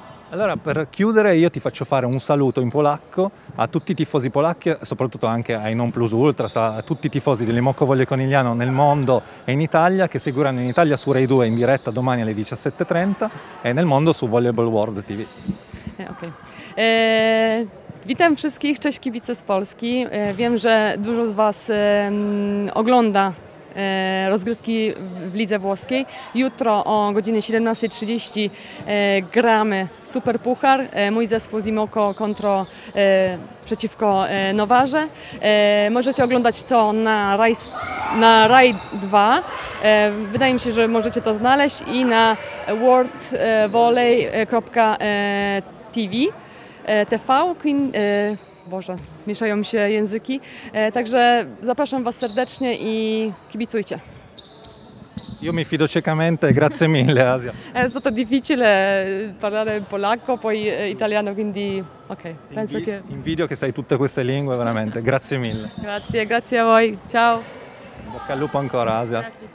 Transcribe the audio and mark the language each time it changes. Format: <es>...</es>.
<it>Allora, per chiudere io ti faccio fare un saluto in polacco a tutti i tifosi polacchi, soprattutto anche ai non plus ultras, a tutti i tifosi delle Moco Volley Conegliano nel mondo e in Italia, che seguiranno in Italia su Rai 2 in diretta domani alle 17:30 e nel mondo su Volleyball World TV. Ok.</it> <pl>Witam wszystkich, cześć kibice z Polski. Wiem, że dużo z Was ogląda rozgrywki w lidze włoskiej. Jutro o godzinie 17.30 gramy Super Puchar. Mój zespół z Imoco kontro przeciwko Nowarze. Możecie oglądać to na Rai 2. Wydaje mi się, że możecie to znaleźć i na worldvolley.tv. TV, Queen, Boże, mieszają się języki. Także zapraszam Was serdecznie i kibicujcie.</pl> <it>Io mi fido ciecamente, grazie mille, Asia. È stato difficile parlare polacco, poi italiano, quindi ok. Penso che invidio che sai tutte queste lingue, veramente. Grazie mille. Grazie, grazie a voi. Ciao. In bocca al lupo ancora, Asia.</it>